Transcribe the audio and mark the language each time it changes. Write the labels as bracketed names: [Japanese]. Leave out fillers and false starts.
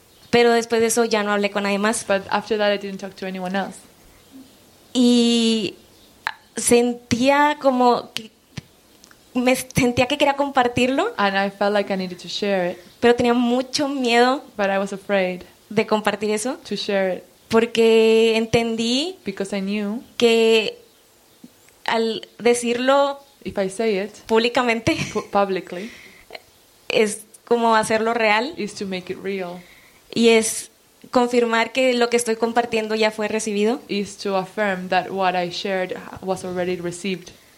[Spanish] Pero después de eso ya no hablé con nadie más. [English] But after that I didn't talk to anyone else. [Spanish] Y sentía como que me sentía que quería compartirlo. [English] And I felt like I needed to share it. [Spanish] Pero tenía mucho miedo. [English] But I was afraid. [Spanish] De compartir eso. [English] To share it. [Spanish] Porque entendí. [English] Because I knew. [Spanish] Que al decirlo. [English] If I say it. [Spanish] Públicamente. [English] Publicly. [Spanish] Es como hacerlo real. [English] Is to make it real. [Spanish] Y es confirmar que lo que estoy compartiendo ya fue recibido. [English] Is to affirm that what I shared was already received.